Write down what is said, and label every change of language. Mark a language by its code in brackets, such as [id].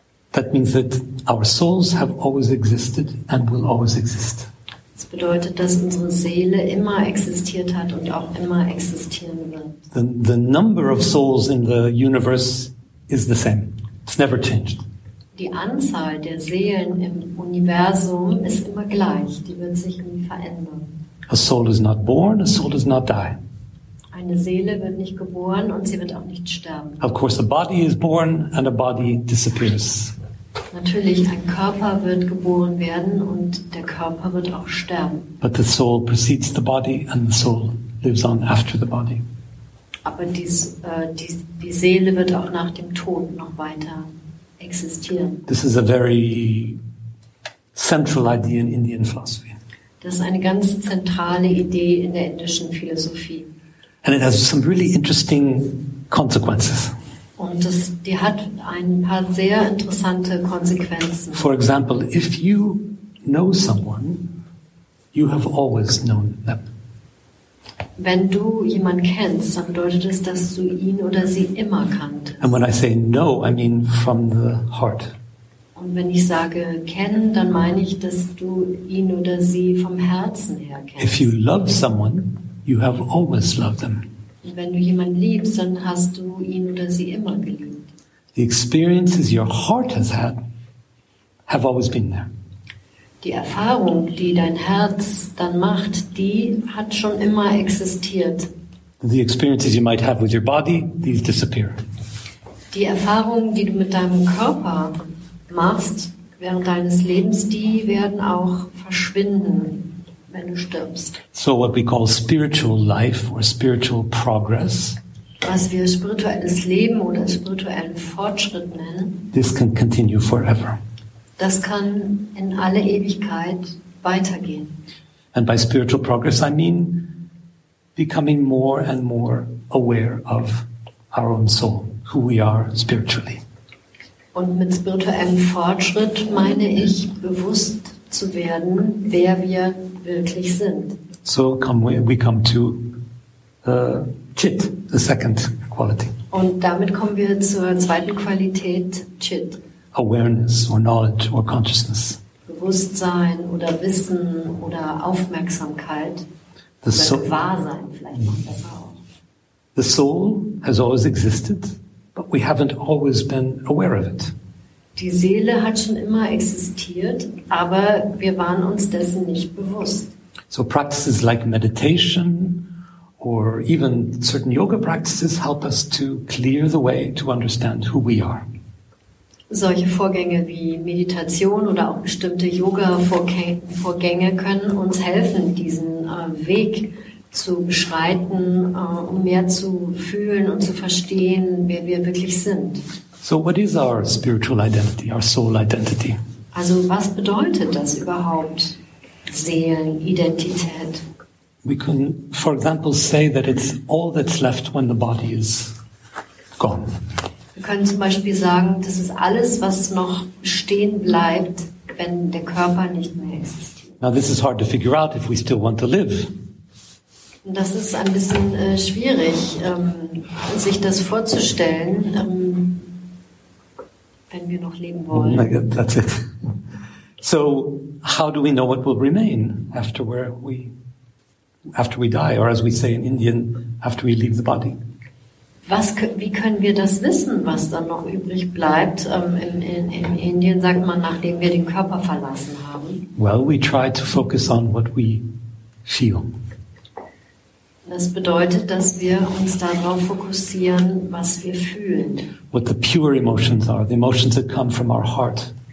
[en] That means that our souls have always existed and will always exist. [de] Das bedeutet, dass unsere Seele immer existiert hat und auch immer existieren wird. [en] The number of souls in the universe is the same. It's never changed. [de] Die Anzahl der Seelen im Universum ist immer gleich. Die wird sich nie verändern. [en] A soul is not born, a soul does not die. [de] Eine Seele wird nicht geboren und sie wird auch nicht sterben. [en] Of course, a body is born and a body disappears. [de] Natürlich, ein Körper wird geboren werden und der Körper wird auch sterben. [en] But the soul precedes the body and the soul lives on after the body. [de] Aber die Seele wird auch nach dem Tod noch weiter existieren. [en] This is a very central idea in Indian philosophy. [de] Das ist eine ganz zentrale Idee in der indischen Philosophie. [en] And it has some really interesting consequences. [de] Und das, die hat ein paar sehr interessante Konsequenzen. [en] For example, if you know someone, you have always known them. [de] Wenn du jemanden kennst, dann bedeutet das, dass du ihn oder sie immer kanntest. [en] And when I say know, I mean from the heart. [de] Und wenn ich sage kennen, dann meine ich, dass du ihn oder sie vom Herzen her kennst. [en] If you love someone, you have always loved them. [de] Wenn du jemanden liebst, dann hast du ihn oder sie immer geliebt. [en] The experiences your heart has had have always been there. [de] Die Erfahrung, die dein Herz dann macht, die hat schon immer existiert. [en] The experiences you might have with your body, these disappear. [de] Die Erfahrungen, die du mit deinem Körper machst während deines Lebens, die werden auch verschwinden. Wenn du stirbst. [en] So what we call spiritual life or spiritual progress. [de] Was wir spirituelles Leben oder spirituellen Fortschritt nennen. [en] This can continue forever. [de] Das kann in alle Ewigkeit weitergehen. [en] And by spiritual progress I mean becoming more and more aware of our own soul, who we are spiritually. [de] Und mit spirituellem Fortschritt meine ich bewusst zu werden, wer wir wirklich sind. [en] So we come to Chit, the second quality. [de] Und damit kommen wir zur zweiten Qualität, Chit. [en] Awareness or knowledge or consciousness. [de] Bewusstsein oder Wissen oder Aufmerksamkeit. The oder soul, Gewahrsein vielleicht. [en] The soul has always existed, but we haven't always been aware of it. [de] Die Seele hat schon immer existiert, aber wir waren uns dessen nicht bewusst. [en] So practices like meditation or even certain yoga practices help us to clear the way to understand who we are. [de] Solche Vorgänge wie Meditation oder auch bestimmte Yoga-Vorgänge können uns helfen, diesen Weg zu beschreiten, um mehr zu fühlen und zu verstehen, wer wir wirklich sind. [en] So what is our spiritual identity, our soul identity? [de] Also was bedeutet das überhaupt, Seelenidentität? [en] We can, for example, say that it's all that's left when the body is gone. [de] Wir können zum Beispiel sagen, das ist alles, was noch stehen bleibt, wenn der Körper nicht mehr existiert. [en] Now this is hard to figure out if we still want to live. [de] Das ist ein bisschen schwierig, sich das vorzustellen, wenn wir noch leben wollen. [en] Oh my God, that's it. So, how do we know what will remain after we die, or as we say in Indian, after we leave the body? [de] Wie können wir das wissen, was dann noch übrig bleibt? In Indien sagt man, nachdem wir den Körper verlassen haben. [en] Well, we try to focus on what we feel. [de] Das bedeutet, dass wir uns darauf fokussieren, was wir fühlen. [en] What the pure emotions are, the emotions that come from our heart.